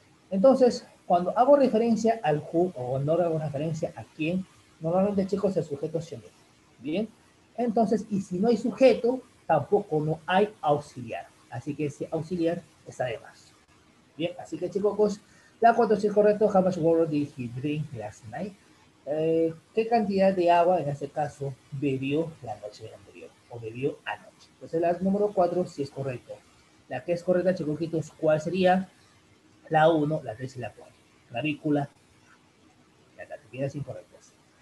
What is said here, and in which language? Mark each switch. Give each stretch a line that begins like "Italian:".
Spanish: Entonces, cuando hago referencia al who o no hago referencia a quién, normalmente, chicos, el sujeto se omite. ¿Bien? Entonces, y si no hay sujeto, tampoco no hay auxiliar. Así que ese auxiliar está de más. Bien, así que chicos, la 4 sí es correcto.
English: How much water did he drink last night?
Spanish: ¿Qué cantidad de agua, en este caso, bebió la noche anterior? O bebió anoche. Entonces la número 4 sí es correcto. La que es correcta, chicos, ¿cuál sería? La 1, la 3 y la 4. Clavícula. Y las cantidades incorrectas.